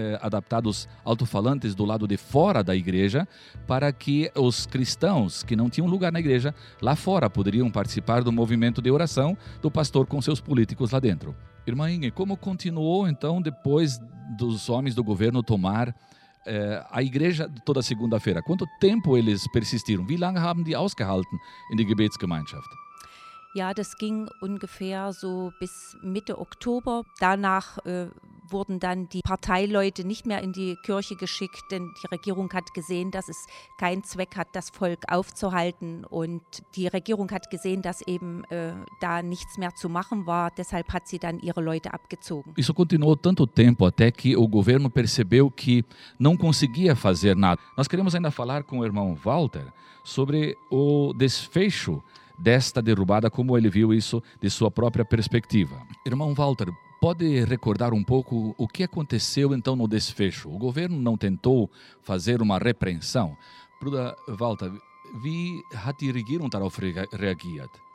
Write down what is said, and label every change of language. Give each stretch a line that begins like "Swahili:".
Portuguese: adaptados alto-falantes do lado de fora da igreja para que os cristãos que não tinham lugar na igreja lá fora poderiam participar do movimento de oração do pastor com seus políticos lá dentro. Irmã Inge, como continuou então depois dos homens do governo tomar a igreja toda segunda-feira? Quanto tempo eles persistiram?
German: Wie lange haben die ausgehalten in der Gebetsgemeinschaft? Ja, das ging ungefähr so bis Mitte Oktober. Danach wurden dann die Parteileute nicht mehr in die Kirche geschickt, denn die Regierung hat gesehen, dass es keinen Zweck hat, das Volk aufzuhalten. Und die Regierung hat gesehen, dass eben da nichts mehr zu machen war. Deshalb hat sie dann ihre Leute abgezogen.
Portuguese: Isso continuou tanto tempo até que o governo percebeu que não conseguia fazer nada. Nós queremos ainda falar com o irmão Walter sobre o desfecho desta derrubada, como ele viu isso de sua própria perspectiva. Irmão Walter, pode recordar um pouco o que aconteceu então no desfecho? O governo não tentou fazer uma repreensão?
German: Bruder Walter, wie hat die Regierung darauf reagiert?